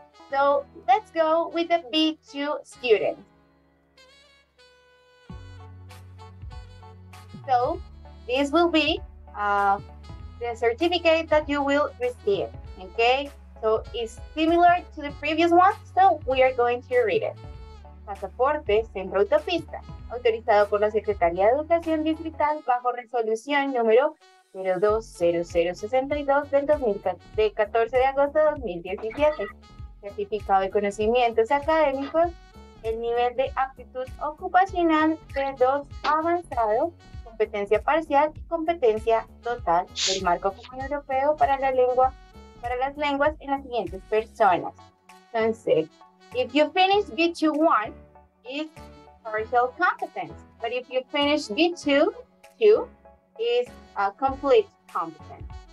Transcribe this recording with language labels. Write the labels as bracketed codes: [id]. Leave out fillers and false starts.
[en] So let's go with the B2 student. So this will be the certificate that you will receive. Okay, so it's similar to the previous one. So we are going to read it. [es] Pasaporte Centro Autopista, autorizado por la Secretaría de Educación Distrital bajo resolución número 020062 del 14 de agosto de 2017. Certificado de conocimientos académicos, el nivel de aptitud ocupacional B2 avanzado, competencia parcial y competencia total del marco común europeo para la lengua, para las lenguas en las siguientes personas. [en] Entonces, if you finish B2-1, it's partial competence, but if you finish B2-2, is a complete competence.